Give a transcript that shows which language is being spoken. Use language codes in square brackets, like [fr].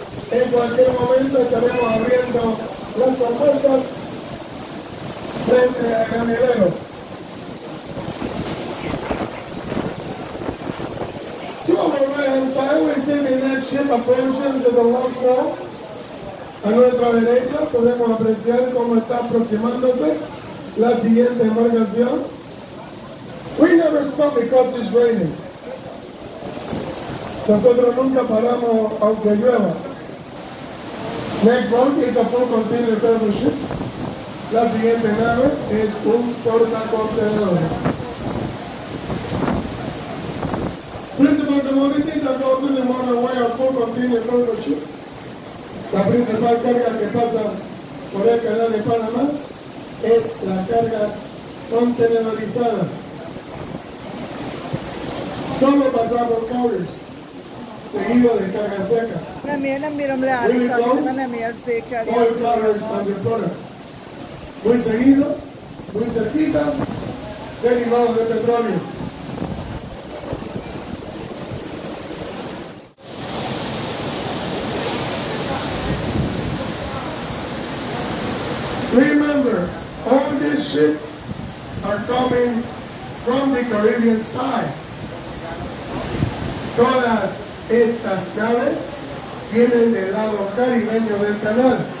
[es] En cualquier momento estaremos abriendo las compuertas frente al granero. [en] To our right hand side, we see the next ship approaching to the launch wall. [es] A nuestra derecha podemos apreciar cómo está aproximándose la siguiente embarcación. [en] We never stop because it's raining. [es] Nosotros nunca paramos aunque llueva. [en] Next boat is a full container cargo ship. [es] La siguiente nave es un portacontenedores. [en] Principal commodity that goes to the motorway are full container cargo ship. [es] La principal carga que pasa por el canal de Panamá es la carga contenedorizada. Solo para travel carriers. Seguido de carga seca. Muy seguido, muy cerquita, derivados de petróleo. [en] Remember, all these ships are coming from the Caribbean side. [es] Todas estas naves vienen del lado caribeño del canal.